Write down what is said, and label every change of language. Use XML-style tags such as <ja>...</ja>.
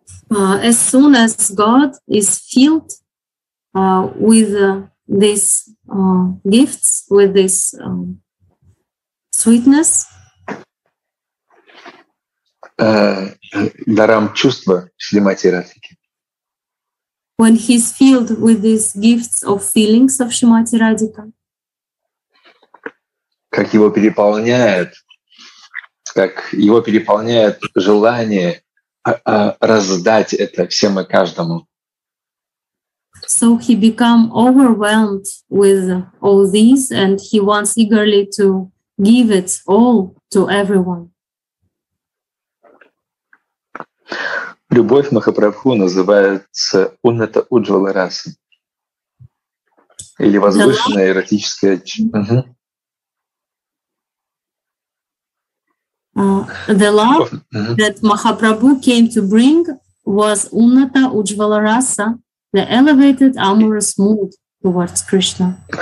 <en>As soon as God is filled with these gifts, with this sweetness.</en> <ru>Дарам чувства Шримати Радхики.</ru> <en>When he is filled with these gifts of feelings of Shrimati Radhika.</en> <ru>Как его переполняет, желание раздать это всем и каждому.</ru> <en>So he become overwhelmed with all these and he wants eagerly to give it all to everyone.</en> <ru>Любовь Махапрабху называется уннато уджвала раса или возвышенная эротическая.</ru> <en>The love that Махапрабху came to bring was уннато уджвала раса, the elevated amorous mood towards Krishna.</en>